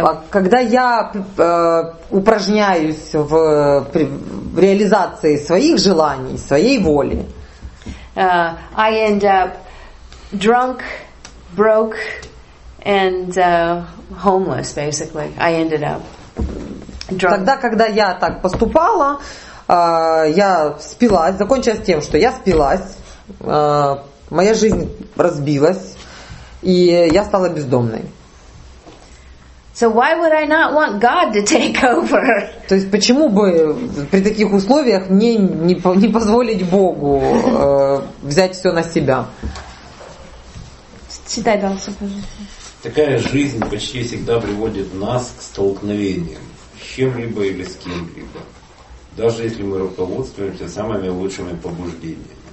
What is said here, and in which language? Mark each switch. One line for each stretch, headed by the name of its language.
Russian: Когда я упражняюсь в реализации своих желаний, своей воли,
English: I end up drunk, broke, and homeless, basically. I ended up drunk.
Russian: Тогда, когда я так поступала, я спилась, закончилась тем, что я спилась, моя жизнь разбилась, и я стала бездомной.
English: So why would I not want God to take over?
Russian: То есть почему бы при таких условиях мне не позволить Богу взять все на себя? Читай дальше, пожалуйста. Такая жизнь почти всегда приводит нас к столкновениям с чем-либо или с кем-либо, даже если мы руководствуемся самыми лучшими побуждениями.